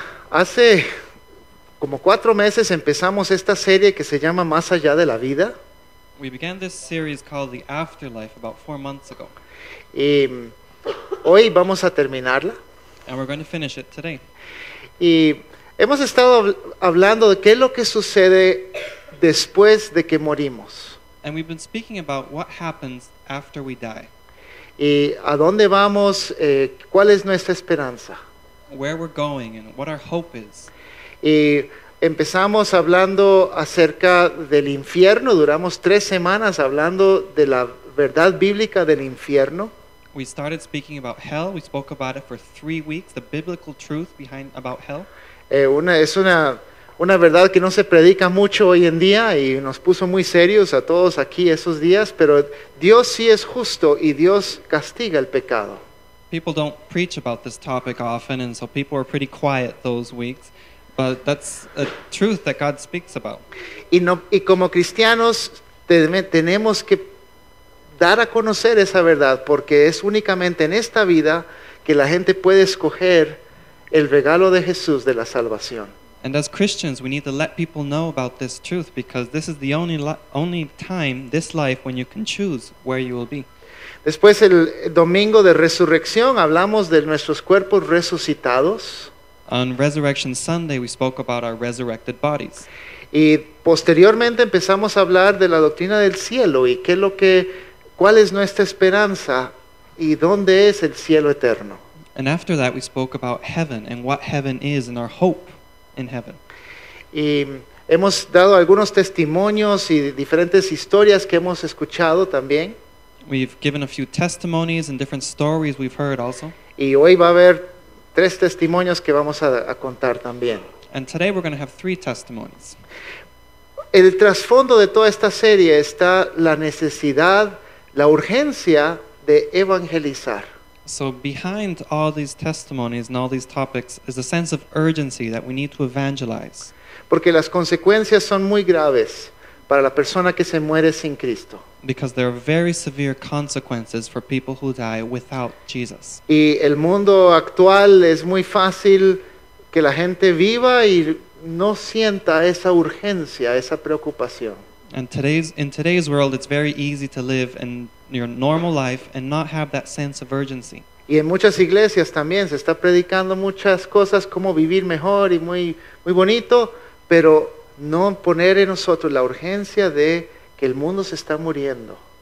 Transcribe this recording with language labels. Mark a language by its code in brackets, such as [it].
[es] Hace como 4 meses empezamos esta serie que se llama Más allá de la vida. [en] We began this series called The Afterlife about 4 months ago. [es] Y hoy vamos a terminarla. [en] And we're going to finish it today. [es] Y hemos estado hablando de qué es lo que sucede después de que morimos. [en] And we've been speaking about what happens after we die. [es] Y a dónde vamos, cuál es nuestra esperanza. [en] Where we're going and what our hope is. [es] Y empezamos hablando acerca del infierno. Duramos 3 semanas hablando de la verdad bíblica del infierno. [en] We started speaking about hell. We spoke about it for 3 weeks, the biblical truth behind about hell. [es] Es una verdad que no se predica mucho hoy en día y nos puso muy serios a todos aquí esos días, pero Dios sí es justo y Dios castiga el pecado. [en] People don't preach about this topic often, and so people were pretty quiet those weeks. But that's a truth that God speaks about. [es] Y como cristianos tenemos que dar a conocer esa verdad, porque es únicamente en esta vida que la gente puede escoger el regalo de Jesús de la salvación. [en] And as Christians, we need to let people know about this truth, because this is the only time this life when you can choose where you will be. [es] Después, el domingo de resurrección, hablamos de nuestros cuerpos resucitados. [en] On Resurrection Sunday, we spoke about our resurrected bodies. [es] Y posteriormente empezamos a hablar de la doctrina del cielo y cuál es nuestra esperanza y dónde es el cielo eterno. [en] And after that, we spoke about heaven and what heaven is and our hope in heaven. [es] Y hemos dado algunos testimonios y diferentes historias que hemos escuchado también. [en] We've given a few testimonies and different stories we've heard also. [es] Y hoy va a haber 3 testimonios que vamos a contar también. [en] And today we're going to have 3 testimonies. [es] El trasfondo de toda esta serie está la necesidad, la urgencia de evangelizar. [en] So behind all these testimonies and all these topics is a sense of urgency that we need to evangelize. [es] Porque las consecuencias son muy graves para la persona que se muere sin Cristo. [en] Because there are very severe consequences for people who die without Jesus. [es] Y el mundo actual es muy fácil que la gente viva y no sienta esa urgencia, esa preocupación. [en] And in today's world, it's very easy to live in your normal life and not have that sense of urgency. [es] Y en muchas iglesias también se está predicando muchas cosas como vivir mejor y muy muy bonito, pero no poner en nosotros la urgencia de que el mundo se está muriendo.